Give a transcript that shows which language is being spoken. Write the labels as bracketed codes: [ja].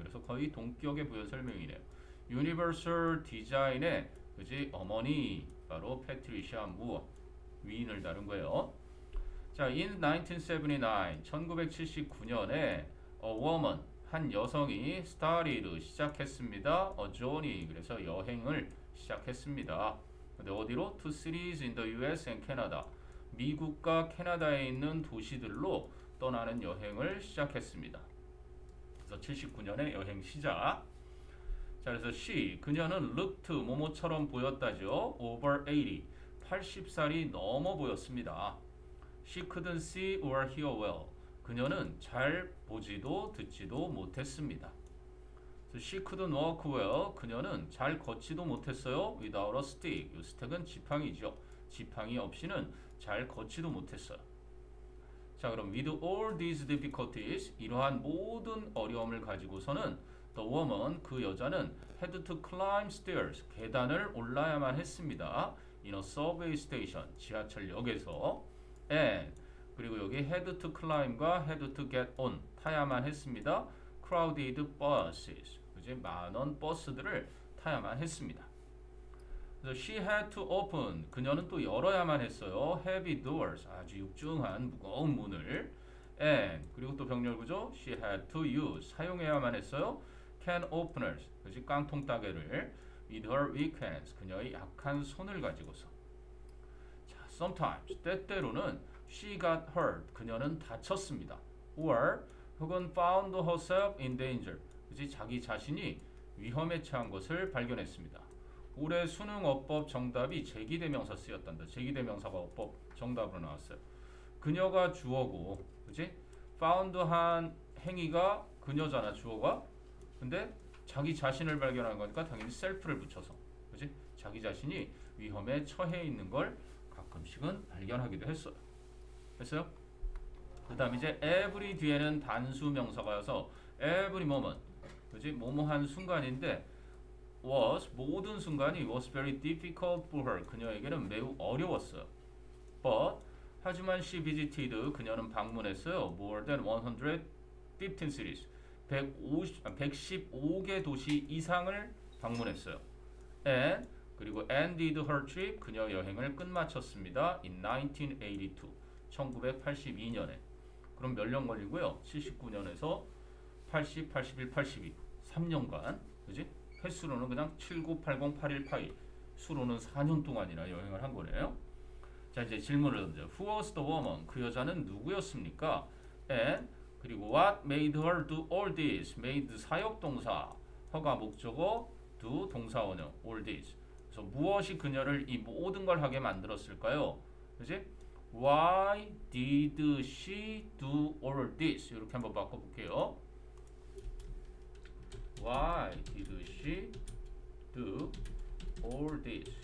[ko] 그래서 거의 동격의 부연 설명이네요. Universal Design의 그지 어머니 바로 패트리샤 무어 위인을 다룬 거예요. 자, [en] in 1979, [ko] 1979년에 [en] A Woman [ko] 한 여성이 스타리드 시작했습니다. [en] A journey [ko] 그래서 여행을 시작했습니다. 근데 어디로? [en] To cities in the US and Canada. [ko] 미국과 캐나다에 있는 도시들로 떠나는 여행을 시작했습니다. 그래서 79년에 여행 시작. 자, 그래서 she 그녀는 looked 모모처럼 보였다죠. [en] Over 80. [ko] 80살이 넘어 보였습니다. [en] She couldn't see or hear well. [ko] 그녀는 잘 보지도 듣지도 못했습니다. [en] So she couldn't walk well. [ko] 그녀는 잘 걷지도 못했어요. [en] Without a stick. [ko] 이 stick은 지팡이죠. 지팡이 없이는 잘 걷지도 못했어요. 자, 그럼 [en] with all these difficulties, [ko] 이러한 모든 어려움을 가지고서는 [en] the woman, [ko] 그 여자는 [en] had to climb stairs. [ko] 계단을 올라야만 했습니다. [en] In a subway station. [ko] 지하철역에서. [en] And [ko] 그리고 여기 [en] had to climb과 had to get on [ko] 타야만 했습니다. [en] Crowded buses, [ko] 그지? 만원 버스들을 타야만 했습니다. [en] So she had to open. [ko] 그녀는 또 열어야만 했어요. [en] Heavy doors, [ko] 아주 육중한 무거운 문을. And 그리고 또 병렬구죠. [en] She had to use, [ko] 사용해야만 했어요. [en] Can openers, [ko] 그지? 깡통 따개를. [en] With her weak hands, [ko] 그녀의 약한 손을 가지고서. [en] 자, sometimes [ko] 때때로는 [en] She got hurt. [ko] 그녀는 다쳤습니다. [en] Or, [ko] 혹은 [en] found herself in danger. [ko] 그지? 자기 자신이 위험에 처한 것을 발견했습니다. 올해 수능 어법 정답이 제기대명사 쓰였단다. 제기대명사가 어법 정답으로 나왔어요. 그녀가 주어고, 그지? found 한 행위가 그녀잖아, 주어가. 근데 자기 자신을 발견한 거니까 당연히 self를 붙여서. 그지? 자기 자신이 위험에 처해 있는 걸 가끔씩은 발견하기도 했어요. 했어요? 그 다음 이제 every 뒤에는 단수 명사가 와서 every moment, 그지? 모모한 순간인데 [en] was [ko] 모든 순간이 [en] was very difficult for her. [ko] 그녀에게는 매우 어려웠어요. But 하지만 [en] she visited [ko] 그녀는 방문했어요. [en] More than 115 cities, [ko] 115개 도시 이상을 방문했어요. And 그리고 [en] ended her trip [ko] 그녀 여행을 끝마쳤습니다. [en] In 1982. [ko] 1982년에. 그럼 몇년 걸리고요? 79년에서 80, 81, 82. 3년간. 그지? 횟수로는 그냥 79, 80, 81, 82. 수로는 4년 동안이나 여행을 한 거네요. 자, 이제 질문을 던져요. [en] Who was the woman? [ko] 그 여자는 누구였습니까? [en] And, [ko] 그리고 [en] What made her do all this? [ko] Made 사역동사. 허가 목적어. Do 동사원형. All this. 그래서 무엇이 그녀를 이 모든 걸 하게 만들었을까요? 그지? [en] Why did she do all this? [ko] 이렇게 한번 바꿔볼게요. [en] Why did she do all this?